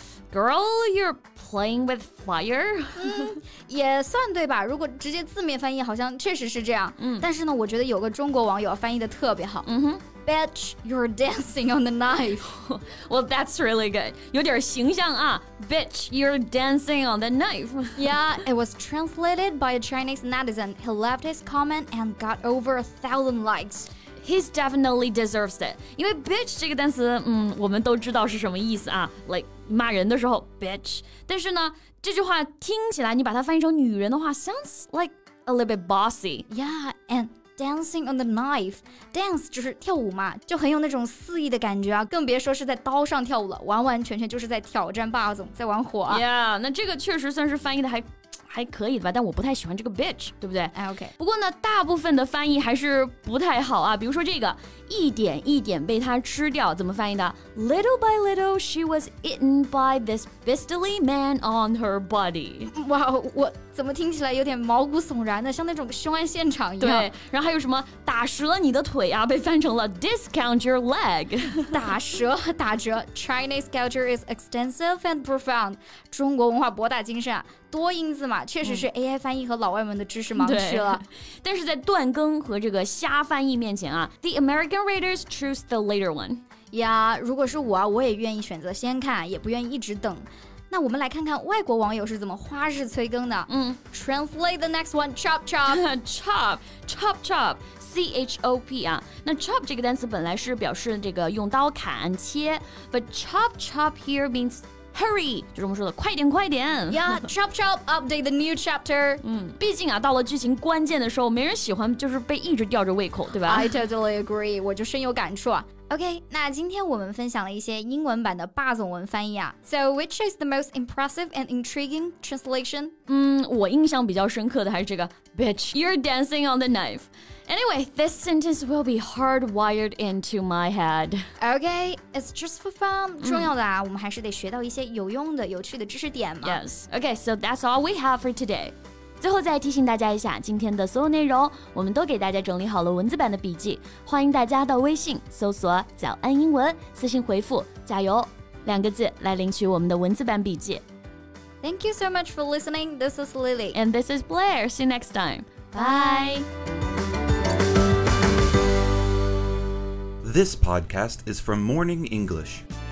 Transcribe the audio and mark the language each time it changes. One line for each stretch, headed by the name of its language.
English: Girl, you're playing with fire?
Chinese: 也算对吧如果直接字面翻译好像确实是这样、但是呢我觉得有个中国网友翻译的特别好、
English: Bitch, you're dancing on the knife. Well, that's really good.
Chinese: 有点形象啊
English: Bitch, you're dancing on the knife. Yeah, it was translated by a Chinese netizen. He left his comment and got over 1,000 likes. He definitely deserves it.
Chinese: 因为 bitch 这个单词、我们都知道是什么意思啊 Like, 骂人的时候 bitch. 但是呢这句话听起来你把它翻译成女人的话
English: sounds like a little bit bossy. Yeah, andDancing on the knife.
Chinese: Dance 就是跳舞嘛就很有那种肆意的感觉啊更别说是在刀上跳舞了完完全全就是在挑战霸总在玩火啊。 Yeah, 那这个确实算是翻译的还可以的吧但我不太喜欢这个 bitch, 对不对、
English: okay.
Chinese: 不过呢大部分的翻译还是不太好啊比如说这个一点一点被他吃掉怎么翻译的
English: Little by little, she was eaten by this beastly man on her body.
Chinese: 哇、wow, 我怎么听起来有点毛骨悚然的像那种凶案现场一样。对然后还有什么打折了你的腿啊被翻成了
English: discount your leg.
Chinese: 打折打折
English: Chinese culture is extensive and profound.
Chinese: 中国文化博大精深啊多音字嘛确实是 AI 翻译和老外们的知识盲区了。但是在断更和这个瞎翻译面前啊
English: The American readers choose the later one.
Chinese: 呀如果是我啊我也愿意选择先看也不愿意一直等。那我们来看看外国网友是怎么花式催更的。
English: Translate the next one, chop chop. chop, chop chop, C-H-O-P 啊。
Chinese: 那 chop 这个单词本来是表示这个用刀砍切
English: but chop chop here means hurry,
Chinese: 就是我们说的快点快点。
English: Yeah, chop chop, update the new chapter.
Chinese: 毕竟啊到了剧情关键的时候没人喜欢就是被一直吊着胃口对吧
English: I totally agree,
Chinese: 我就深有感触啊。OK, 那今天我们分享了一些英文版的霸总文翻译啊。
English: So, which is the most impressive and intriguing translation?
Chinese: 我印象比较深刻的还是这个
English: Bitch, you're dancing on the knife. Anyway, this sentence will be hardwired into my head. OK, it's just for fun.
Chinese: 重要的啊、我们还是得学到一些有用的、有趣的知识点嘛。
English: Yes, OK, so that's all we have for today.
Chinese: 最后再提醒大家一下今天的所有内容我们都给大家整理好了文字版的笔记欢迎大家到微信搜索早安英文私信回复加油两个字来领取我们的文字版笔记
English: Thank you so much for listening This is Lily And this is Blair See you next time Bye This podcast is from Morning English